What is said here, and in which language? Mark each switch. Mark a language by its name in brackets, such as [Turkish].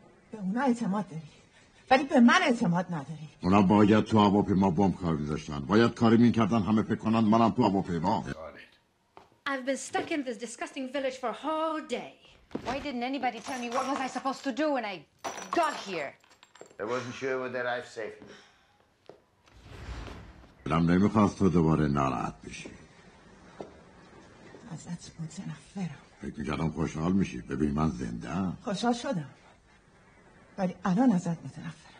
[Persian] به اونا اعتماد داری ولی به من اعتماد نداری. اونا باید تو هواپیما بمب کار میذاشتن، باید کاری میکردن همه فکر کنن منم تو هواپیما. [English] I've been stuck in this disgusting village for a whole day. Why didn't anybody tell me what was I supposed to do when I got here? I wasn't sure whether their life saved me. [Persian] دلم نمیخواست تو دوباره ناراحت بشی. ازت متنفرم. فکر میکردم خوشحال میشی. ببین من زنده هم. خوشحال شدم ولی الان ازت متنفرم.